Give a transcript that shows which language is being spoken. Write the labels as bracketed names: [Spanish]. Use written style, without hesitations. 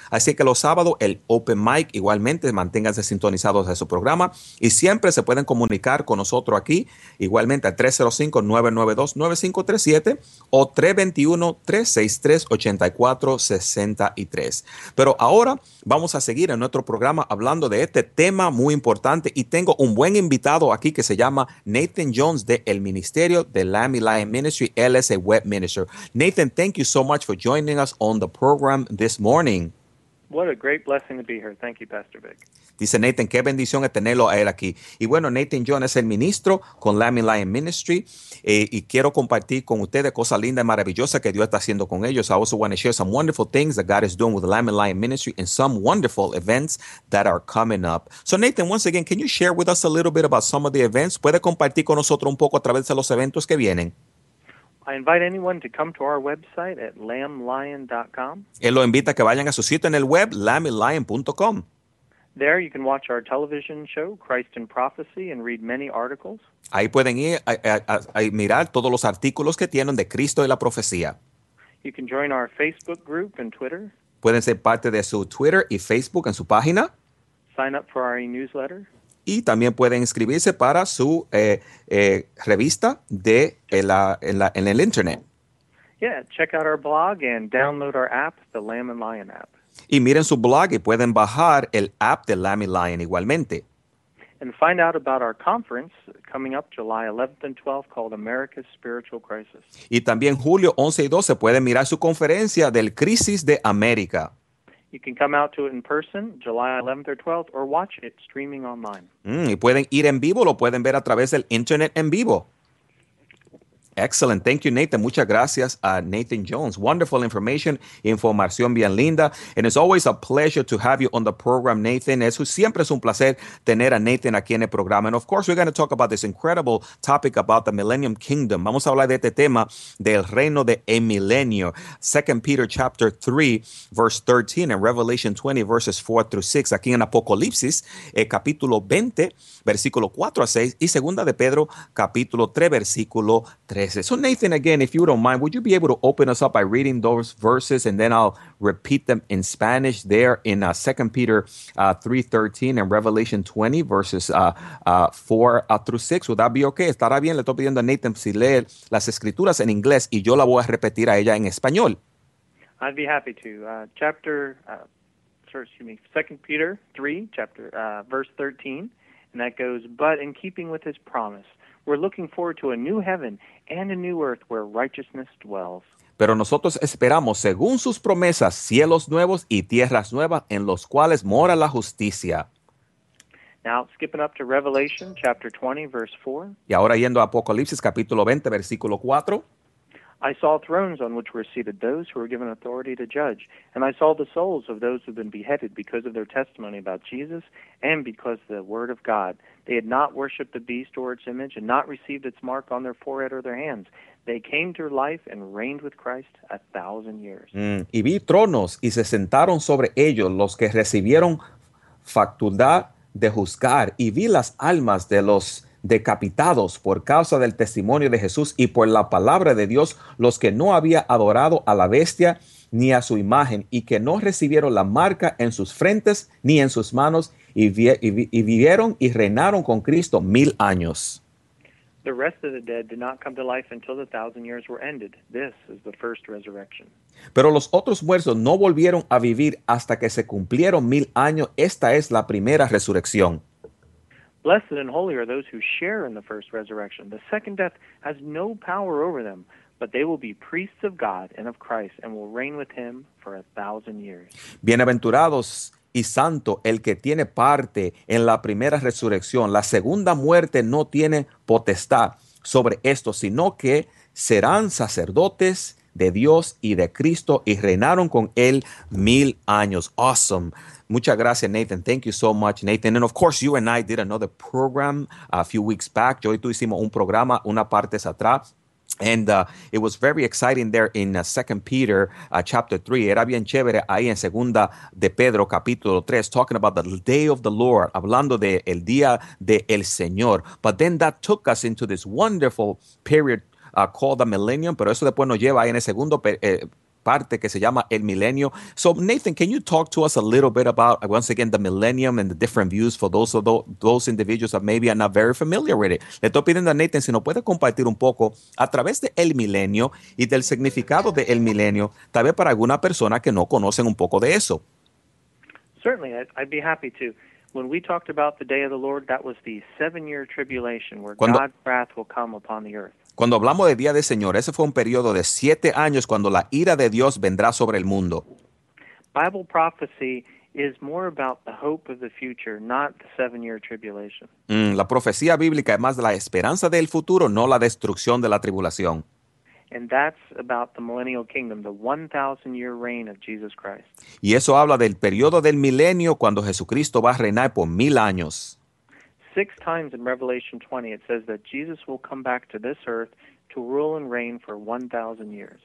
[Spanish] Así que los sábados el Open Mic, igualmente, manténganse sintonizados a su programa y siempre se pueden comunicar con nosotros aquí, igualmente al 305-992-9537 o 321-363-8463. Pero ahora vamos a seguir en nuestro programa hablando de este tema muy importante. Y tengo un buen invitado aquí que se llama Nathan Jones de el Ministerio de Lamb y Lion Ministry. Él es [English] a web minister. Nathan, thank you so much for joining us on the program this morning. What a great blessing to be here. Thank you, Pastor Vic. [Spanish] Dice Nathan, qué bendición es tenerlo a él aquí. Y bueno, Nathan Jones es el ministro con Lamb y Lion Ministry. Y quiero compartir con ustedes cosas lindas y maravillosas que Dios está haciendo con ellos. [English] I also want to share some wonderful things that God is doing with Lamb and Lion Ministry and some wonderful events that are coming up. So Nathan, once again, can you share with us a little bit about some of the events? [Spanish] ¿Puede compartir con nosotros un poco a través de los eventos que vienen? [English] I invite anyone to come to our website at lamblion.com. [Spanish] Él lo invita a que vayan a su sitio en el web, lamblion.com. [English] There you can watch our television show, Christ in Prophecy, and read many articles. [Spanish] Ahí pueden ir a mirar todos los artículos que tienen de Cristo y la profecía. [English] You can join our Facebook group and Twitter. [Spanish] Pueden ser parte de su Twitter y Facebook en su página. [English] Sign up for our e-newsletter. [Spanish] Y también pueden inscribirse para su revista de en el Internet. [English] Yeah, check out our blog and download our app, the Lamb and Lion app. [Spanish] Y miren su blog y pueden bajar el app de Lamb y Lion igualmente. [English] And find out about our conference coming up July 11th and 12th called America's Spiritual Crisis. [Spanish] Y también julio 11 y 12 pueden mirar su conferencia del Crisis de América. [English] You can come out to it in person July 11th or 12th or watch it streaming online. [Spanish] Y pueden ir en vivo, lo pueden ver a través del internet en vivo. [English] Excellent. Thank you, Nathan. [Spanish] Muchas gracias a Nathan Jones. [English] Wonderful information. [Spanish] Información bien linda. [English] And it's always a pleasure to have you on the program, Nathan. [Spanish] Siempre es un placer tener a Nathan aquí en el programa. [English] And of course, we're going to talk about this incredible topic about the Millennium Kingdom. [Spanish] Vamos a hablar de este tema del reino de el milenio. [English] 2 Peter chapter 3, verse 13, and Revelation 20, verses 4 through 6. [Spanish] Aquí en Apocalipsis, capítulo 20, versículo 4 a 6. Y 2 de Pedro, capítulo 3, versículo 13. [English] Okay. So, Nathan, again, if you don't mind, would you be able to open us up by reading those verses, and then I'll repeat them in Spanish there in 2 Peter 3:13 and Revelation 20, verses 4-6. Would that be okay? [Spanish] ¿Estará bien? Le estoy pidiendo a Nathan si lee las escrituras en inglés y yo la voy a repetir a ella en español. [English] I'd be happy to. Second Peter 3, chapter verse 13, and that goes, "But in keeping with his promise, we're looking forward to a new heaven and a new earth where righteousness dwells." [Spanish] Pero nosotros esperamos, según sus promesas, cielos nuevos y tierras nuevas en los cuales mora la justicia. [English] Now, skipping up to Revelation chapter 20, verse 4. [Spanish] Y ahora yendo a Apocalipsis capítulo 20, versículo 4. [English] "I saw thrones on which were seated those who were given authority to judge, and I saw the souls of those who had been beheaded because of their testimony about Jesus and because of the word of God. They had not worshipped the beast or its image and not received its mark on their forehead or their hands. They came to life and reigned with Christ 1,000 years. [Spanish] Y vi tronos y se sentaron sobre ellos los que recibieron facultad de juzgar, y vi las almas de los decapitados por causa del testimonio de Jesús y por la palabra de Dios, los que no había adorado a la bestia ni a su imagen y que no recibieron la marca en sus frentes ni en sus manos y vivieron y reinaron con Cristo 1,000 años. [English] The rest of the dead did not come to life until the 1,000 years were ended. This is the first resurrection. [Spanish] Pero los otros muertos no volvieron a vivir hasta que se cumplieron 1,000 años. Esta es la primera resurrección. [English] Blessed and holy are those who share in the first resurrection. The second death has no power over them, but they will be priests of God and of Christ and will reign with him for 1,000 years. [Spanish] Bienaventurados y santo el que tiene parte en la primera resurrección. La segunda muerte no tiene potestad sobre esto, sino que serán sacerdotes de Dios y de Cristo y reinaron con él 1,000 años. [English] Awesome. [Spanish] Muchas gracias, Nathan. [English] Thank you so much, Nathan. And of course, you and I did another program a few weeks back. [Spanish] Yo y tú hicimos un programa una parte atrás. [English] And it was very exciting there in 2 Peter chapter 3. [Spanish] Era bien chévere ahí en Segunda de Pedro capítulo 3, [English] talking about the day of the Lord, [Spanish] hablando de el día de el Señor. [English] But then that took us into this wonderful period called the millennium. [Spanish] Pero eso después nos lleva ahí en el segundo parte que se llama el milenio. [English] So Nathan, can you talk to us a little bit about, once again, the millennium and the different views for those individuals that maybe are not very familiar with it? [Spanish] Le estoy pidiendo a Nathan si nos puede compartir un poco a través de el milenio y del significado de el milenio, tal vez para alguna persona que no conocen un poco de eso. [English] Certainly, I'd be happy to. When we talked about the day of the Lord, that was the 7-year tribulation where God's wrath will come upon the earth. [Spanish] Cuando hablamos de Día del Señor, ese fue un periodo de 7 años cuando la ira de Dios vendrá sobre el mundo. [English] Bible prophecy is more about the hope of the future, not the 7-year tribulation. [Spanish] La profecía bíblica es más de la esperanza del futuro, no la destrucción de la tribulación. [English] And that's about the millennial kingdom, the 1,000-year reign of Jesus Christ. [Spanish] Y eso habla del periodo del milenio cuando Jesucristo va a reinar por 1,000 años. [English] 6 times in Revelation 20, it says that Jesus will come back to this earth to rule and reign for 1,000 years.